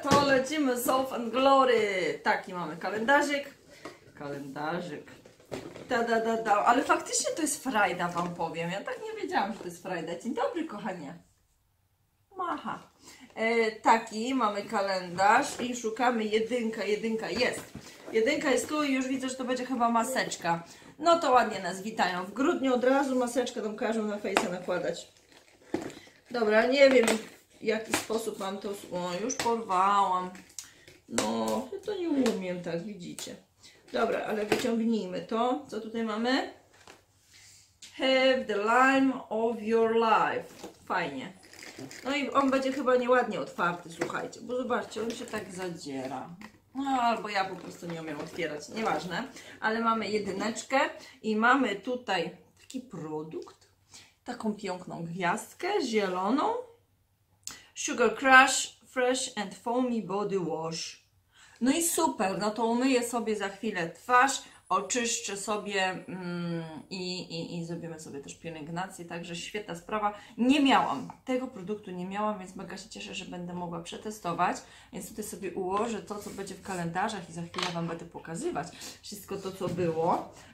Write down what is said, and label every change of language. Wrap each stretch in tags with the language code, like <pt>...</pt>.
<pl>To lecimy, Soap and Glory. Taki mamy kalendarzyk. Kalendarzyk. Da. Ale faktycznie to jest frajda, Wam powiem. Ja tak nie wiedziałam, że to jest frajda. Dzień dobry, kochanie. Macha. Taki mamy kalendarz i szukamy jedynka jest. Jedynka jest tu i już widzę, że to będzie chyba maseczka. No to ładnie nas witają. W grudniu od razu maseczkę tam każą na fejsa nakładać. Dobra, nie wiem, w jaki sposób mam to... O, już porwałam. No, ja to nie umiem, tak widzicie. Dobra, ale wyciągnijmy to. Co tutaj mamy?</pl> <en>Have the lime of your life.</en> <pl>Fajnie. No i on będzie chyba nieładnie otwarty, słuchajcie. Bo zobaczcie, on się tak zadziera. No, albo ja po prostu nie umiem otwierać. Nieważne. Ale mamy jedyneczkę. I mamy tutaj taki produkt. Taką piękną gwiazdkę, zieloną. Sugar Crush Fresh and Foamy Body Wash. No i super, no to umyję sobie za chwilę twarz, oczyszczę sobie i zrobimy sobie też pielęgnację, także świetna sprawa. Nie miałam, tego produktu nie miałam, więc mega się cieszę, że będę mogła przetestować. Więc tutaj sobie ułożę to, co będzie w kalendarzach i za chwilę Wam będę pokazywać wszystko to, co było.</pl>